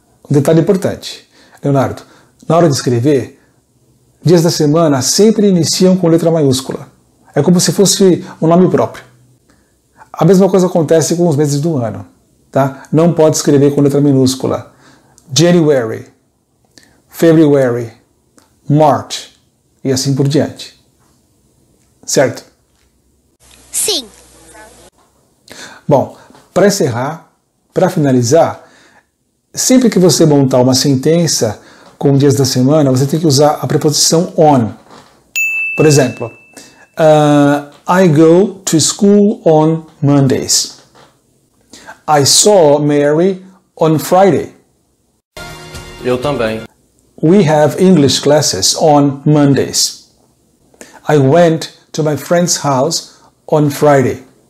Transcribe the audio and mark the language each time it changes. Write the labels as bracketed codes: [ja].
[pt] Um detalhe importante, Leonardo. Na hora de escrever, dias da semana sempre iniciam com letra maiúscula. É como se fosse um nome próprio. A mesma coisa acontece com os meses do ano, tá? Não pode escrever com letra minúscula. January, February, March e assim por diante. Certo? Sim. Bom, para encerrar, para finalizar, sempre que você montar uma sentença com dias da semana, você tem que usar a preposição on. Por exemplo, [en] I go to school on Mondays. I saw Mary on Friday. [pt] Eu também. [en] We have English classes on Mondays. I went to my friend's house on Friday.